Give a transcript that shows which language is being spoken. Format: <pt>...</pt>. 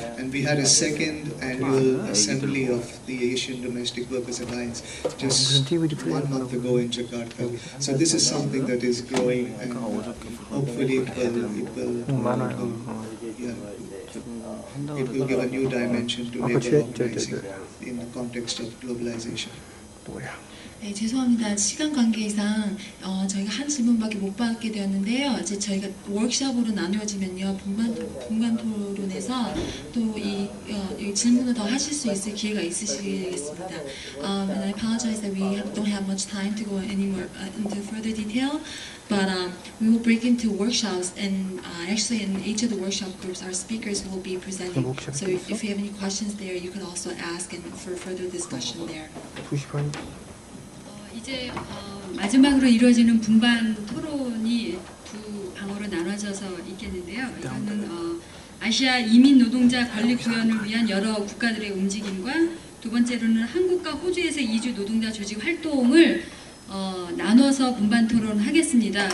<en>And we had a second annual assembly of the Asian Domestic Workers Alliance just 1 month ago in Jakarta. So this is something that is growing and hopefully it will give a new dimension to labor organizing in the context of globalization.</en> <ko>네, 죄송합니다. 시간 관계상 저희가 한 질문밖에 못 받게 되었는데요. 이제 저희가 워크숍으로 나누어지면요. 분반 토론에서 또 이 질문을 더 하실 수 있을 기회가 있으시겠습니다.</ko> <en>And I apologize that we don't have much time to go anymore into further detail. But we will break into workshops, and actually in each of the workshop groups, our speakers will be presenting. So if you have any questions there, you can also ask and for further discussion there.</en> <ko>이제 마지막으로 이루어지는 분반 토론이 두 방으로 나눠져서 있겠는데요. 이거는 아시아 이민 노동자 권리 구현을 위한 여러 국가들의 움직임과 두 번째로는 한국과 호주에서 이주 노동자 조직 활동을 나눠서 분반 토론 하겠습니다.</ko>